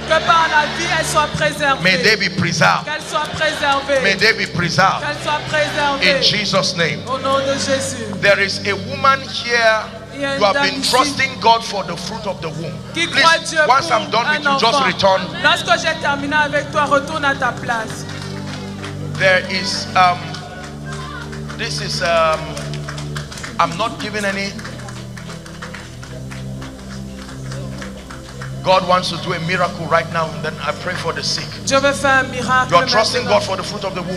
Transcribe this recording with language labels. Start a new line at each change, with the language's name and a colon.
French: Que par la vie, elle soit préservée.
English: May they be preserved.
French: Qu'elle soit préservée.
English: May they be preserved.
French: Qu'elle soit préservée.
English: In Jesus' name.
French: Au nom de Jésus.
English: There is a woman here. You have been trusting God for the fruit of the womb. Please, once I'm done with you, just return.
French: Lorsque j'ai terminé avec toi, retourne à ta place.
English: There is this is I'm not giving any. God wants to do a miracle right now, and then I pray for the sick.
French: Je veux faire un miracle.
English: You are trusting God for the fruit of the womb.